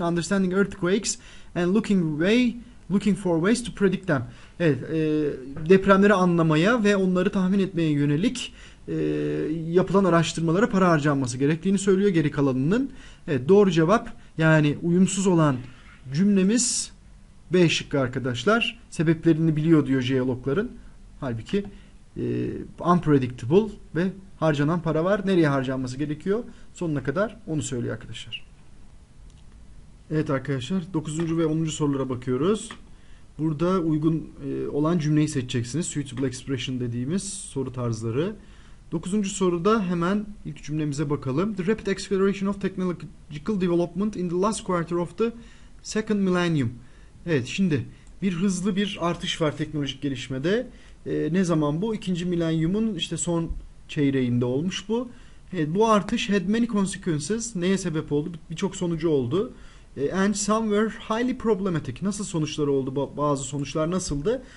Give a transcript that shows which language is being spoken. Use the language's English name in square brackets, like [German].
[English] Understanding earthquakes and looking for ways to predict them. [Turkish] Evet, depremleri anlamaya ve onları tahmin etmeye yönelik yapılan araştırmalara para harcanması gerektiğini söylüyor geri kalanının. Evet, doğru cevap, yani uyumsuz olan cümlemiz B şıkkı arkadaşlar. Sebeplerini biliyor diyor jeologların. Halbuki unpredictable ve harcanan para var. Nereye harcanması gerekiyor? Sonuna kadar onu söylüyor arkadaşlar. Evet arkadaşlar, 9. ve 10. sorulara bakıyoruz. Burada uygun olan cümleyi seçeceksiniz. [English] Suitable expression [Turkish] dediğimiz soru tarzları. 9. soruda hemen ilk cümlemize bakalım. [English] The rapid acceleration of technological development in the last quarter of the second millennium. [Turkish] Evet, şimdi bir hızlı bir artış var teknolojik gelişmede. Ne zaman bu? İkinci milenyumun işte son çeyreğinde olmuş bu. Evet, bu artış [English] had many consequences. [Turkish] Neye sebep oldu? Birçok sonucu oldu. [English] And some were highly problematic. [Turkish] Nasıl sonuçları oldu? Bazı sonuçlar nasıldı?